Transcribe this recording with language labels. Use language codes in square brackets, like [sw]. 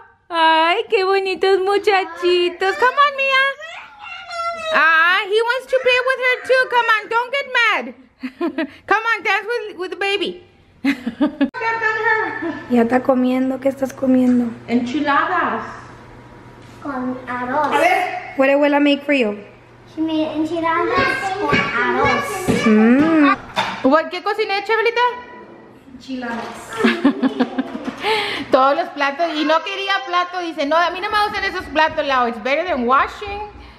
[es] Ay, qué bonitos muchachitos. [en] Come on, Mia. Ah, he wants to play with her too. Come on, don't get mad. Come on, dance with the baby. [es] Ya está comiendo, ¿qué estás comiendo? Enchiladas con arroz. A ver, [en] what did Abuela make for you? Chicken. [es] enchiladas con arroz. ¿Qué cociné, Chevelita? Enchiladas. Todos los platos, y no quería plato, dice, no, a mí no me gustan esos platos, Lau, [en] it's better than washing.